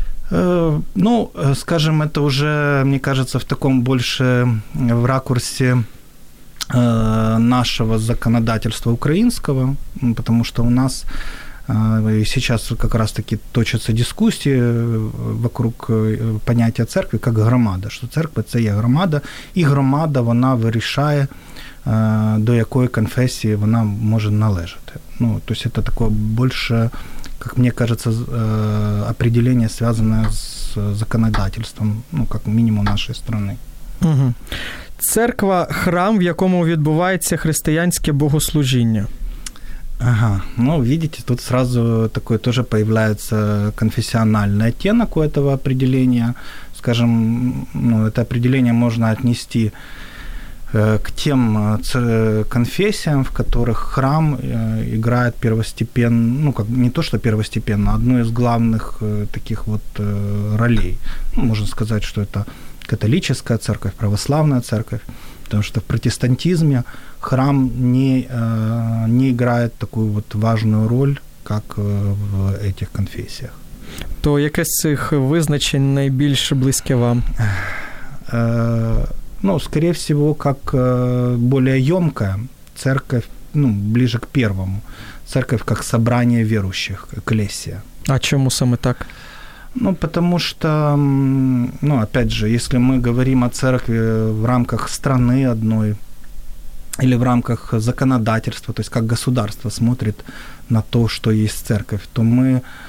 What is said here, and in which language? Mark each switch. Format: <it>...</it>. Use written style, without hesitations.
<ru>Ну, скажем, это уже, мне кажется, в таком больше в ракурсе нашего законодательства украинского, потому что у нас сейчас как раз-таки точатся дискуссии вокруг понятия церкви как громада, что церковь – это є громада, и громада,</ru> <uk>вона вирішає, до якої конфесії вона може належати.</uk> <ru>Ну, то есть это такое больше... как мне кажется, определение, связанное с законодательством, ну, как минимум, нашей страны. Угу.</ru> <uk>Церква – храм, в якому відбувається християнське богослужіння.</uk> <ru>Ага, ну, видите, тут сразу такой тоже появляется конфессиональный оттенок у этого определения. Скажем, ну, это определение можно отнести к тем конфессиям, в которых храм играет первостепенно, ну, как не то, что первостепенно, а одну из главных таких вот ролей. Ну, можно сказать, что это католическая церковь, православная церковь, потому что в протестантизме храм не играет такую вот важную роль, как в этих конфессиях.</ru> <uk>То яке з цих визначень найбільше близьке вам?</uk> <ru>Ну, скорее всего, как более ёмкая церковь, ну, ближе к первому. Церковь как собрание верующих, экклесия.</ru> <uk>А чему саме так?</uk> <ru>Ну, потому что, ну, опять же, если мы говорим о церкви в рамках страны одной или в рамках законодательства, то есть как государство смотрит на то, что есть церковь, то мы...</ru>